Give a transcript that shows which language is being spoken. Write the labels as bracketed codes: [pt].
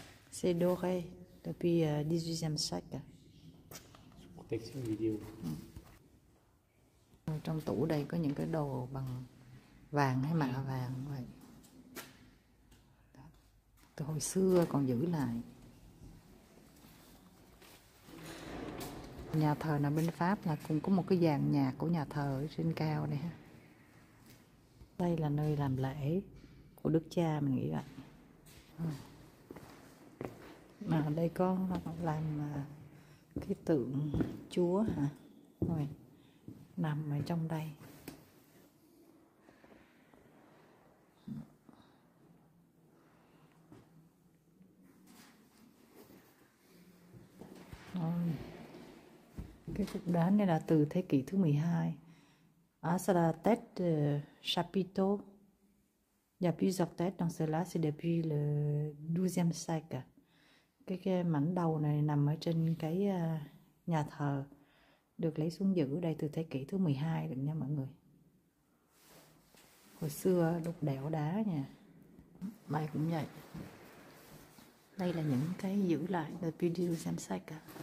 [fr] C'est doré depuis 18e siècle. Protection vidéo. [vi] Trong tủ đây có những cái đồ bằng vàng hay mạ vàng vậy. Từ hồi xưa còn giữ lại. Nhà thờ nằm bên Pháp là cũng có một cái dàn nhạc của nhà thờ trên cao này ha. Đây là nơi làm lễ của Đức Cha mình nghĩ vậy. À, đây có làm cái tượng chúa hả? Rồi, nằm ở trong đây. Rồi. Cái cục đá này là từ thế kỷ thứ 12. [fr] À, ça là tête de chapiteau. Il y a plusieurs têtes dans cela, c'est depuis le 12e siècle. [vi] Cái mảnh đầu này nằm ở trên cái nhà thờ được lấy xuống giữ đây từ thế kỷ thứ 12 được nha mọi người. Hồi xưa đục đẽo đá nha. Mày cũng vậy. Đây là những cái giữ lại từ video xem sai cả.